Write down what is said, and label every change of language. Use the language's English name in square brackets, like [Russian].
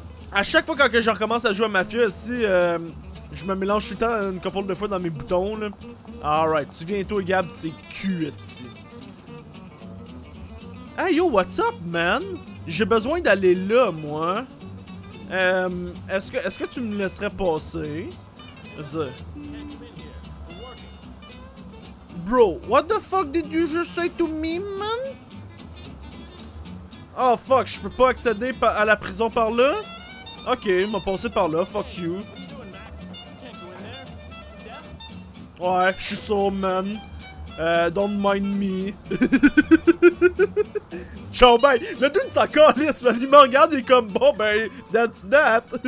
[French] À chaque fois que je recommence à jouer à Mafia, si je me mélange tout le temps une couple de fois dans mes boutons, là. Alright, tu viens toi, Gab, c'est Q ici. [English] Hey yo, what's up, man? [French] J'ai besoin d'aller là, moi. Est-ce que tu me laisserais passer? Dire. [English] Bro, what the fuck did you just say to me, man? [French] Oh fuck, je peux pas accéder à la prison par là? Ok, il m'a passé par là, [English] fuck you. [French] Ouais, je suis sûr, man. [English] Don't mind me. [French] Ciao, ben, le dude s'en calisse, man. Il me regarde, il est comme, bon, ben, [English] that's that.